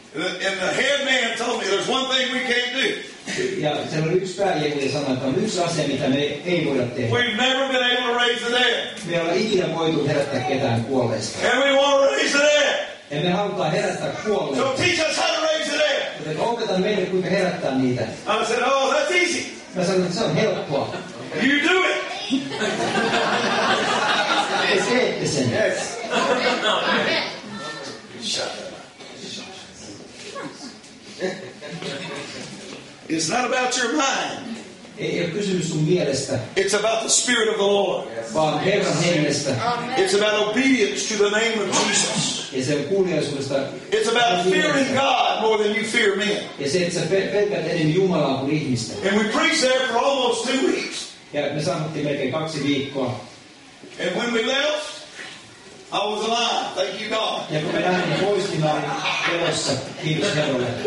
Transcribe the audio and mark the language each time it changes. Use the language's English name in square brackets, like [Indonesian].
[English] And the head man told me there's one thing we can't do. [Finnish] Ja siellä oli yksi pääjehuja sanoi, että on yksi asia, mitä me ei voida tehdä. [English] We've never been able to raise the dead. [Finnish] Me ei ole ikinä voitu herättää ketään kuolleista. [English] And we won't raise the dead. [Finnish] Ja me halutaan herättää kuolleita. [English] So teach us how to raise the dead. [Finnish] Joten opeta meille, kuinka herättää niitä. [English] I said, oh, that's easy. [Finnish] Mä sanoin, että se on helppoa. [English] You do it. [Finnish] Te teette sen. [English] Yes. It's not about your mind. [Finnish] Ei ole kysymys sun mielestä. [English] It's about the Spirit of the Lord. [Finnish] Vaan Herran hengestä. [English] It's about obedience to the name of Jesus. [Finnish] Ja sen kuuliaisuudesta. [English] It's about fearing God more than you fear men. [Finnish] Ja se, että sä pelkät enemmän Jumalaa kuin ihmistä. [English] And we preached there for almost 2 weeks. [Finnish] Ja me sanottiin melkein 2 viikkoa. [English] And when we left, I was alive. Thank you, God. [Finnish] Ja kun me lähdimme pois, niin mä olin elossa. Kiitos Herralle.